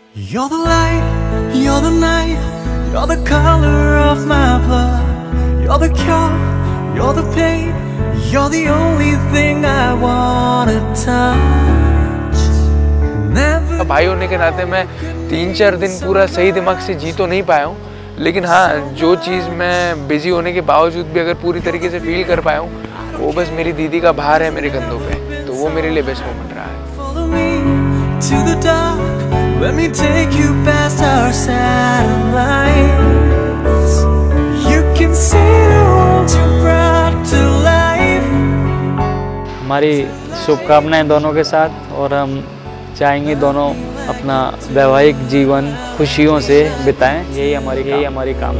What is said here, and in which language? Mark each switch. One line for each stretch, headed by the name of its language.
English: You're the light, you're the night, you're the color of my blood, you're the cure, you're the pain, you're the only thing I wanna touch. Never.
Hindi: अब भाई होने के नाते मैं तीन चार दिन पूरा सही दिमाग से जी तो नहीं पाया हूँ, लेकिन हाँ जो चीज़ मैं बिजी होने के बावजूद भी अगर पूरी तरीके से फील कर पाया हूँ वो बस मेरी दीदी का भार है मेरे कंधों पे, तो वो मेरे लिए बेस्ट मोमेंट रहा है।
English: Follow me to the dark. Let me take you past our satellites. You can see the world you brought to life.
Hindi: हमारी शुभकामनाएं दोनों के साथ, और हम चाहेंगे दोनों अपना वैवाहिक जीवन खुशियों से बिताएं, यही हमारी काम।